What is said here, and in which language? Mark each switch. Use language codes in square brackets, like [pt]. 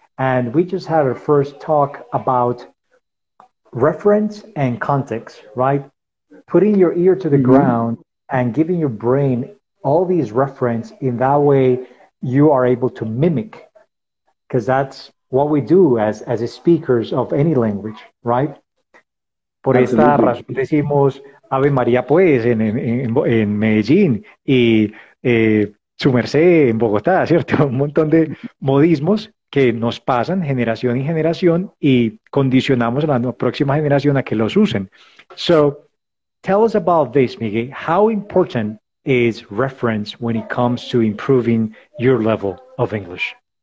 [en] And we just had our first talk about reference and context, right? Putting your ear to the ground and giving your brain all these reference, in that way you are able to mimic, because that's what we do as speakers of any language, right? [es] Por esta razón decimos Ave María pues en Medellín y su merced en Bogotá, ¿cierto? Un montón de modismos que nos pasan generación en generación y condicionamos a la próxima generación a que los usen. [en] So, tell us about this, Miguel. How important is reference when it comes to improving your level of English?